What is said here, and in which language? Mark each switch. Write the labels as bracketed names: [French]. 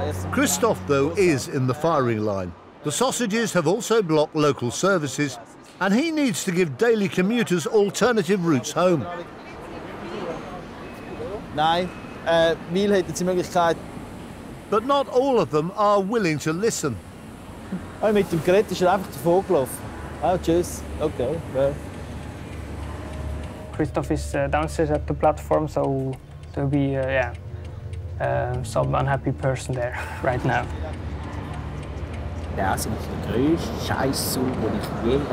[English] Christoph, though, is in the firing line. The sausages have also blocked local services, and he needs to give daily commuters alternative routes home. [German] Nein, Wiel hat jetzt die Möglichkeit. [English] But not all of them are willing to listen. [German] Oh, mit dem Gerät ist er einfach davor gelaufen. Oh, tschüss. Okay. Well. [English] Christoph is downstairs at the platform, so there'll be some unhappy person there right now. [German] Das ist der größte Scheißzug, den ich je erlebt